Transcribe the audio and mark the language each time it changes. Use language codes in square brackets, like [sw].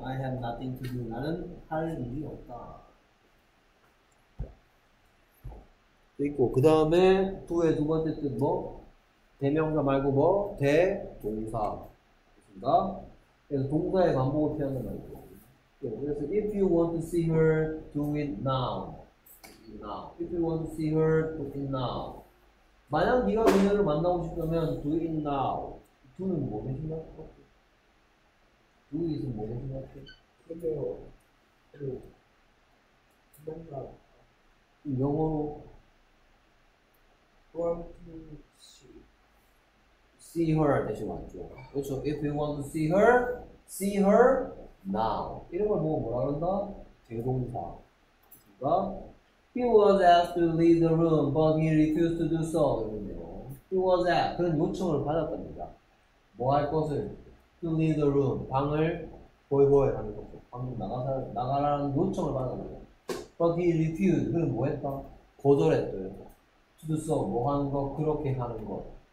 [en] I have nothing to do. [ko] 나는 할 일이 없다. 있고, 그 다음에 부의 두 번째 뜻 뭐? 대명사 말고 뭐? 대동사. 그렇습니다. 그래서 동사의 반복을 표현한 말이죠. [en] 그래서 if you want to see her, do it now. If you want to see her, do it now. [ko] 만약 네가 그녀를 만나고 싶다면, [en] do it now. [ko] do는 뭐 대신 할것 같아? do is 뭐 대신 할 것 같아? 그러면 영어로 [en] want to see. see her [ko] 대신 맞죠? 그렇죠. [en] if you want to see her. [ko] Now 이런 걸 보고 뭐라 그런다? 대동사. 그러니까 [en] He was asked to leave the room, but he refused to do so. [ko] 이런 내용. [en] He was asked. [ko] 그는 요청을 받았답니다. 뭐할 것을? [en] To leave the room. [ko] 방을 보이보이 하는 것을. 방금 나가라는 요청을 받았답니다. [en] But he refused. [ko] 그는 뭐 했다? 거절했대요. [en] To do so. [ko] 뭐 하는 것? 그렇게 하는 것.